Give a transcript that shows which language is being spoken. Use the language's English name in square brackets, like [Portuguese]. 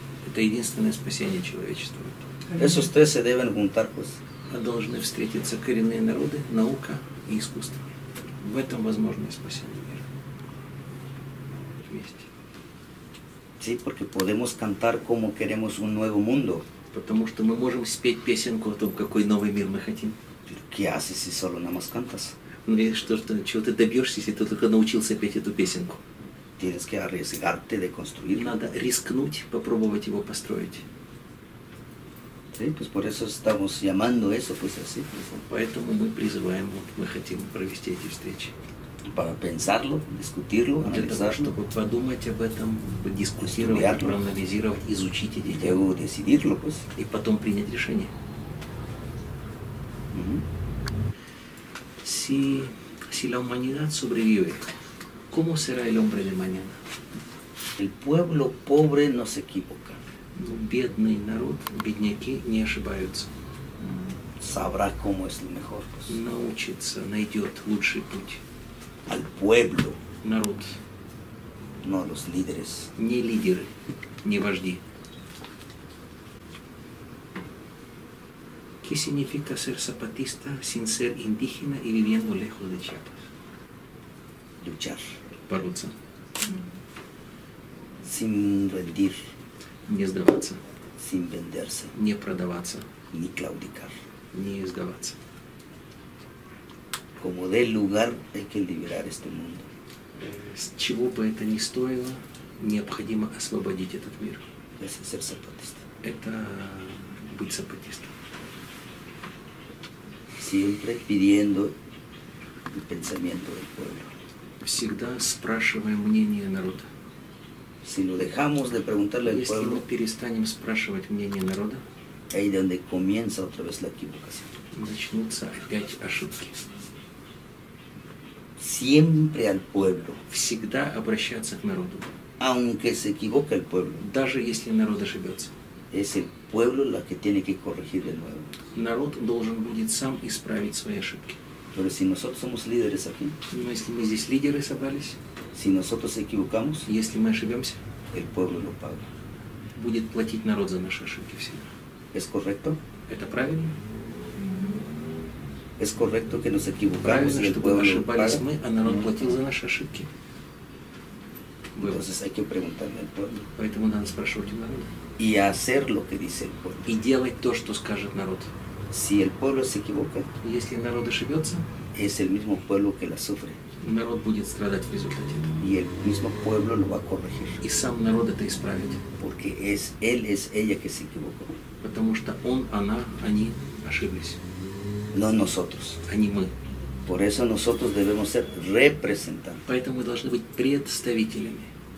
[Russian] Это единственное спасение человечества. [Spanish] Esos tres se deben juntar, pues. [Russian] Должны встретиться коренные народы, наука и искусство. В этом возможно спасение мира. Вместе. [Spanish] Sí, porque podemos cantar como queremos un nuevo mundo. [Russian] Потому что мы можем спеть песенку о том, какой новый мир мы хотим. [Spanish] ¿Qué haces si solo nada más cantas? [Russian] Ну и что, чего ты добьешься, если ты только научился петь эту песенку? [Spanish] Tienes que arriesgarte de construir. [Russian] Надо рискнуть, попробовать его построить. [Spanish] Sí, pues por eso estamos llamando eso, pues así. [Russian] Поэтому мы призываем, вот мы хотим провести эти встречи. [Spanish] Para pensarlo, discutirlo, analizarlo. [Russian] Для того, чтобы подумать об этом, дискутировать, проанализировать, изучить эти [Spanish] дела. Luego decidirlo, pues. [Russian] И потом принять решение. [Spanish] Si la humanidad sobrevive, ¿cómo será el hombre de mañana? El pueblo pobre no se equivoca. [Russian] Бедный народ, бедняки не ошибаются. [Spanish] Sabrá cómo es lo mejor. Pues. [Russian] Научится, найдет лучший путь. [Spanish] Al pueblo. [Russian] Народ. [Spanish] No a los líderes. [Russian] Не лидеры, не вожди. [Spanish] ¿Qué significa ser zapatista sin ser indígena y viviendo lejos de Chiapas? Luchar. [Russian] Бороться. [Spanish] Sin rendir. [Russian] Не сдаваться. [Spanish] Sin venderse. [Russian] Не продаваться. [Spanish] Ni claudicar. [Russian] Не сдаваться. [Spanish] Como dé lugar, hay que liberar este mundo. [Russian] С чего бы это ни стоило, необходимо освободить этот мир. [Spanish] Es ser zapatista. [Russian] Это быть zapatistas. [Spanish] Siempre pidiendo el pensamiento del pueblo. [Russian] Всегда спрашивая мнение народа. [Spanish] Si lo dejamos de preguntarle al pueblo, [Russian] если мы перестанем спрашивать мнение народа, [Spanish] ahí donde comienza otra vez la equivocación. [Russian] Начнутся опять ошибки. [Spanish] Siempre al pueblo. [Russian] Всегда обращаться к народу. [Spanish] Aunque se equivoque el pueblo. [Russian] Даже если народ ошибется. [Spanish] Es el pueblo la que tiene que corregir de nuevo. [Russian] Народ должен будет сам исправить свои ошибки. [Spanish] Pero si nosotros somos líderes aquí. [Russian] Но если мы здесь лидеры собрались. [Spanish] Si nosotros equivocamos. [Russian] Если мы ошибемся. [Spanish] El pueblo lo paga. [Russian] Будет платить народ за наши ошибки всегда. [Spanish] Es correcto. [Russian] Это правильно. [Spanish] Es correcto que nos equivocamos, [Russian] правильно, чтобы ошибались мы, а народ платил за наши ошибки. [Spanish] Entonces, hay que preguntarle al pueblo. [Russian] Поэтому надо спрашивать у народа. [Spanish] Y hacer lo que dice el pueblo. [Russian] И делать то, что скажет народ. [Spanish] Si el pueblo se equivoca, [Russian] если народ ошибется, [Spanish] es el mismo pueblo que la sufre. [Russian] Народ будет страдать в результате этого. [Spanish] Y el mismo pueblo lo va a corregir. [Russian] И сам народ это исправит. [Spanish] Porque es él, es ella que se equivocó. [Russian] Потому что он, она, они ошиблись. [Spanish] No nosotros. [Russian] Они мы. [Spanish] Por eso nosotros debemos ser representantes. [Russian] Поэтому мы должны быть представителями.